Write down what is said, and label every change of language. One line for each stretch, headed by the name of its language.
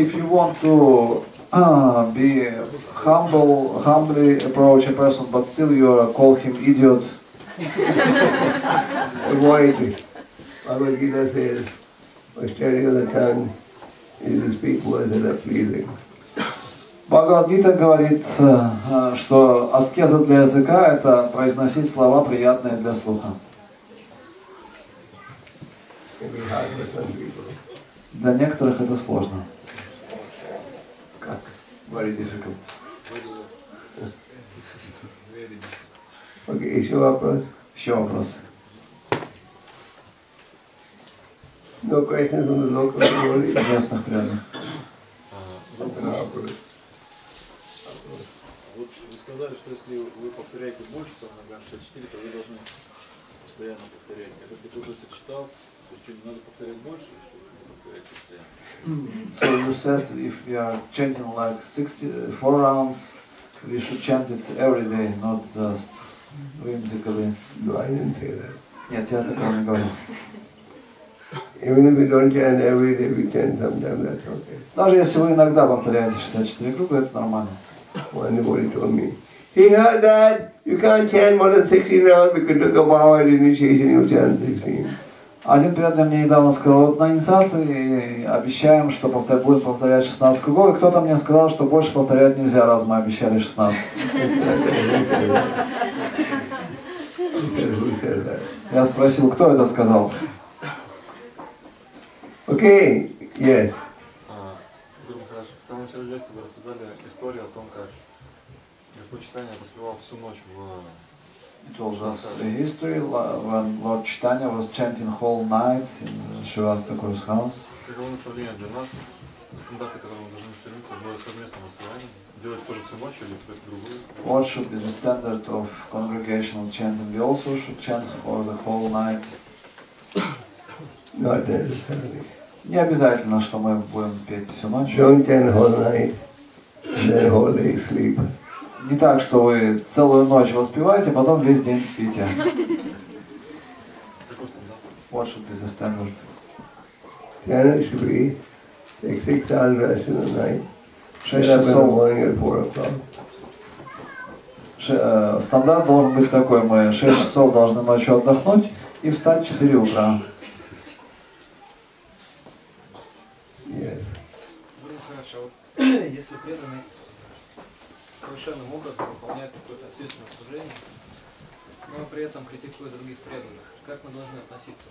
English: If you want to be humble, humbly approach a person, but still you call him idiot. Why? Bhagavad Gita says, austerity of the tongue is to speak words that are pleasing.
Russian: Bhagavad Gita говорит, что аскеза для языка – это произносить слова, приятные для слуха. Для некоторых это сложно.
English: Как? Very difficult.
Russian: Окей, еще вопрос? Еще вопрос.
English: No questions on the local level.
Russian: Местных преданных. Вы сказали, что если вы повторяете больше, чем на 64, то вы должны постоянно повторять. Это ты уже прочитал, то есть что, не надо повторять больше, чтобы повторять постоянно?
English: So you said, if we are chanting like 64 rounds, we should chant it every day, not just whimsically. No, I didn't say that.
Russian: Нет, я такого не говорил.
English: Even if we don't chant every day, we chant sometimes, that's okay.
Russian: Даже если вы иногда повторяете 64 круга, это нормально.
English: One devotee told me, he heard that you can't chant more than 16 rounds because of the vow at initiation, you chant 16.
Russian: Один преданный мне недавно сказал, вот на инициации обещаем, что будем повторять 16 кругов, и кто-то мне сказал, что больше повторять нельзя, раз мы обещали 16. Я спросил, кто это сказал? Окей, yes. В самом начале лекции вы рассказали историю о том, как Господь Чайтанья поспевал всю ночь в...
English: It was just a history when Lord Chaitanya was chanting whole night in Shivastakura's house.
Russian: Каково наставление для нас, стандарты, к которым мы должны стремиться, было совместное воспевание, делать тоже всю ночь или какую-то другую?
English: What should be the standard of congregational chanting? We also should chant for the whole night. Not necessarily.
Russian: Не обязательно, что мы будем петь всю ночь.
English: Don't chant whole night, then whole day sleep.
Russian: Не так, что вы целую ночь воспеваете, потом весь день спите.
English: What should be the standard? Standard should be take 6 hours rest in the night. Get up in the morning at 4 o'clock.
Russian: Стандарт должен быть такой, мы 6 часов должны ночью отдохнуть и встать в 4 утра. Если преданный совершенным образом выполняет какое-то ответственное служение, но при этом критикует других преданных, как мы должны относиться?